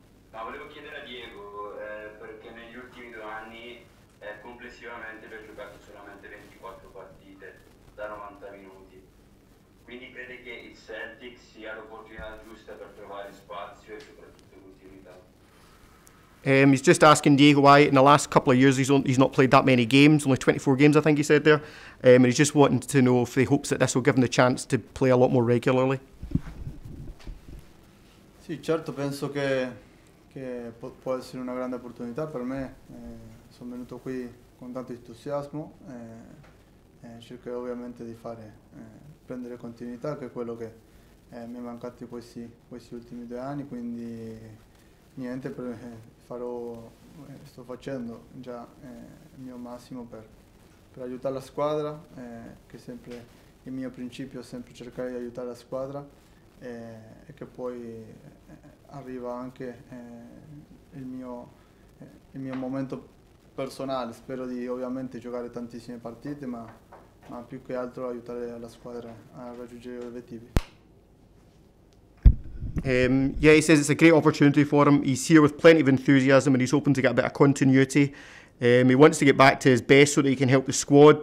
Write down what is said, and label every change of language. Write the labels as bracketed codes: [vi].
[it] Ma volevo chiedere a Diego, perché negli ultimi 2 anni complessivamente lui ha giocato solamente 24 partite da 90 minuti. Quindi crede che il Celtic sia l'opportunità giusta per trovare spazio e soprattutto continuità? [en] He's just asking Diego why in the last couple of years he's not played that many games, only 24 games I think he said there, and he's just wanting to know if he hopes that this will give him the chance to play a lot more regularly. [it] Sì, certo, penso che può essere una grande opportunità per me. Sono venuto qui con tanto entusiasmo e cercherò ovviamente di fare prendere continuità, che è quello che mi è mancato in questi ultimi 2 anni, quindi niente, per me sto facendo già il mio massimo per aiutare la squadra, che sempre il mio principio è sempre cercare di aiutare la squadra e che poi arriva anche il mio momento personale. Spero di ovviamente giocare tantissime partite, ma più che altro aiutare la squadra a raggiungere gli obiettivi. [en] Yeah, he says it's a great opportunity for him. He's here with plenty of enthusiasm and he's hoping to get a bit of continuity. He wants to get back to his best so that he can help the squad.